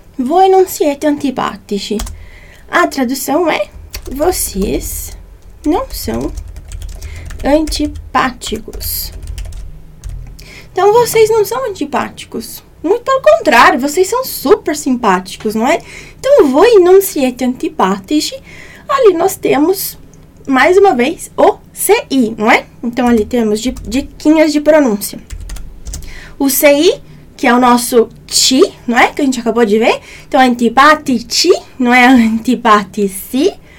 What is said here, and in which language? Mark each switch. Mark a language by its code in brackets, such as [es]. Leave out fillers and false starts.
[it] Voi non siete antipatici. [pt] A tradução é vocês não são antipáticos. Então, vocês não são antipáticos. Muito pelo contrário, vocês são super simpáticos, não é? [it] Então, voi non siete antipatici. [pt] Ali nós temos, mais uma vez, o CI, não é? Então, ali temos diquinhas de pronúncia. O CI, que é o nosso TI, não é? Que a gente acabou de ver. Então, antipatici, não é antipatici.